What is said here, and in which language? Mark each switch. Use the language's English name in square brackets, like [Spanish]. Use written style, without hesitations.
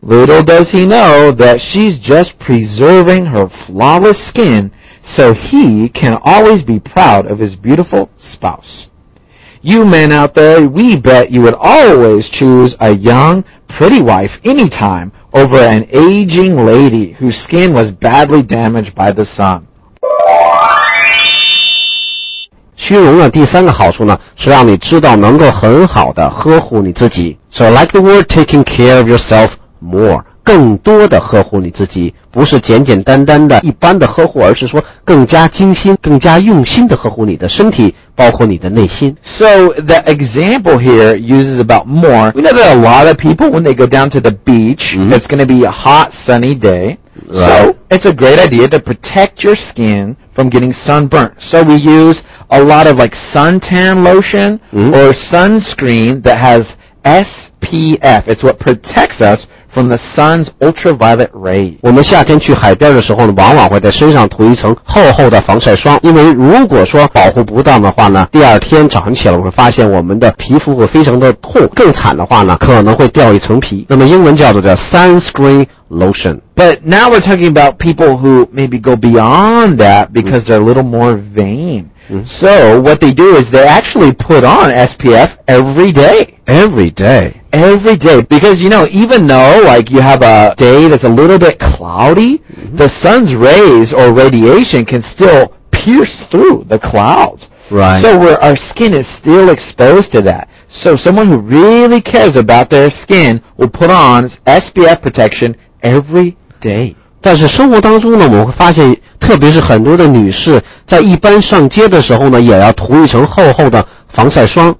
[English] Little does he know that she's just preserving her flawless skin so he can always be proud of his beautiful spouse. You men out there, we bet you would always choose a young, pretty wife anytime over an aging lady whose skin was badly damaged by the sun. [Chinese] 虚荣的第三个好处呢，是让你知道能够很好的呵护你自己。 So like the word taking care of yourself more, 更多的呵护你自己，不是简简单单的一般的呵护，而是说更加精心、更加用心的呵护你的身体，包括你的内心。 [English] So the example here uses about more. We know that a lot of people, when they go down to the beach, it's going to be a hot, sunny day. Right. So it's a great idea to protect your skin from getting sunburnt. So we use a lot of like suntan lotion or sunscreen that has SPF. It's what protects us from the sun's ultraviolet rays. [Chinese] 我们夏天去海边的时候呢，往往会在身上涂一层厚厚的防晒霜，因为如果说保护不当的话呢，第二天早上起来我会发现我们的皮肤会非常的痛，更惨的话呢，可能会掉一层皮。那么英文叫 sunscreen lotion. [English] But now we're talking about people who maybe go beyond that because they're a little more vain. So what they do is they actually put on SPF every day. Every day. Every day. Because, you know, even though like you have a day that's a little bit cloudy, the sun's rays or radiation can still pierce through the clouds. Right. So our skin is still exposed to that. So someone who really cares about their skin will put on SPF protection every day. [Chinese] 但是生活当中呢，我们会发现，特别是很多的女士，在一般上街的时候呢，也要涂一层厚厚的防晒霜。